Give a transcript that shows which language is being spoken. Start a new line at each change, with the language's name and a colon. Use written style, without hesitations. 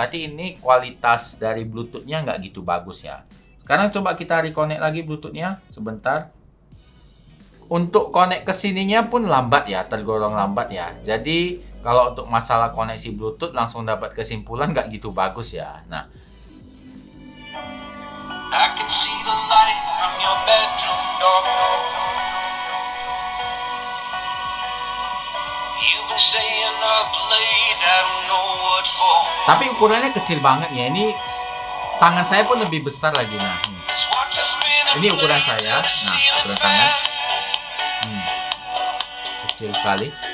Indonesian: Berarti ini kualitas dari bluetoothnya nggak gitu bagus ya. Sekarang coba kita reconnect lagi bluetoothnya sebentar. Untuk connect ke sininya pun lambat ya, tergolong lambat ya. Jadi kalau untuk masalah koneksi bluetooth langsung dapat kesimpulan nggak gitu bagus ya.
English: Nah, I can see the light from your bedroom door. You've been staying up late, I don't know what for.
Indonesian: Tapi ukurannya kecil banget ya. Ini tangan saya pun lebih besar lagi. Nah, ini ukuran saya. Nah, ukuran tangan kecil sekali.